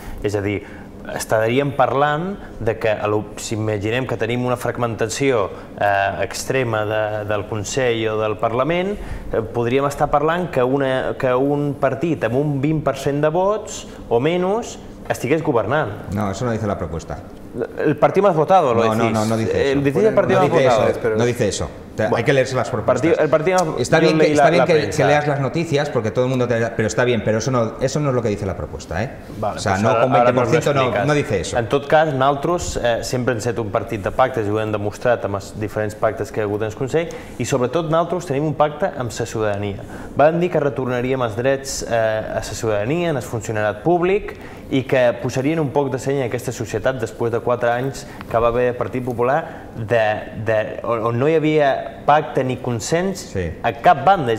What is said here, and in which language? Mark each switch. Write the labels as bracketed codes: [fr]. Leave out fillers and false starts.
[ca] És a dir, estaríem parlant de que, si imaginem que tenim una fragmentació extrema del Consell o del Parlament, podríem estar parlant que un partit amb un 20% de vots o menys estigués governant. [es] No, eso no dice la propuesta. El partit más votado, lo decís. No dice eso. No dice eso. Hay que leerse las propuestas. Está bien que leas las noticias, porque todo el mundo te... Pero está bien, pero eso no es lo que dice la propuesta, ¿eh? Vale, o sea, pues no, con 20% no dice eso. [ca] En tot cas, nosaltres sempre hem set un partit de pactes, i ho hem demostrat amb els diferents pactes que hi ha hagut en el Consell, i sobretot nosaltres tenim un pacte amb la ciutadania. Van dir que retornaríem els drets a la ciutadania, en el funcionariat públic, i que posarien un poc de seny a aquesta societat després de 4 anys que va haver el Partit Popular on no hi havia pacte ni consens a cap banda.